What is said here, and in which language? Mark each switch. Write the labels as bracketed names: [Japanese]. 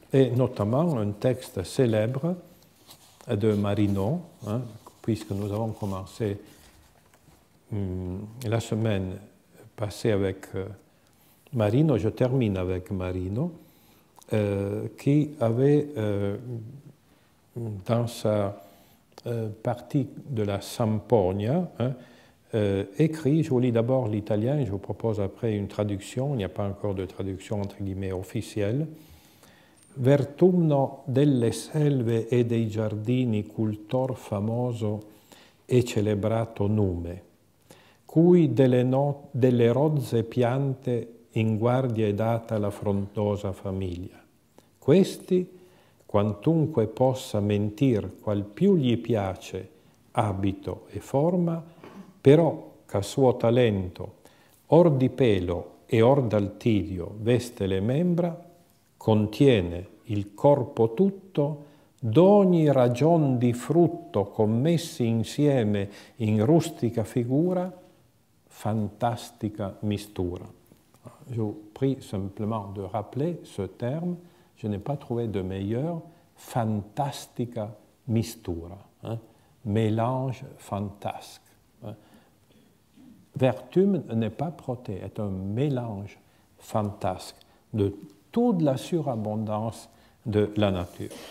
[French] Et notamment un texte célèbre de Marinon, hein, puisque nous avons commencé la semaine passée avec Marino, je termine avec Marino, qui avait dans sa partie de la Sampogna écrit, je vous lis d'abord l'italien, je vous propose après une traduction, il n'y a pas encore de traduction entre guillemets officielle. [Italian] Vertumno delle selve e dei giardini cultor famoso e celebrato nume, cui delle rozze piante in guardia è data la frondosa famiglia. Questi, quantunque possa mentir qual più gli piace abito e forma, però ca suo talento or di pelo e or d'altilio veste le membra, contiene il corpo tutto d'ogni ragion di frutto commessi insieme in rustica figura, fantastica mistura. [French] Je vous prie simplement de rappeler ce terme, je n'ai pas trouvé de meilleur, [Italian] fantastica mistura, [French] hein, mélange fantasque. Hein. Vertumne n'est pas proté, est un mélange fantasque de toute la surabondance de la nature.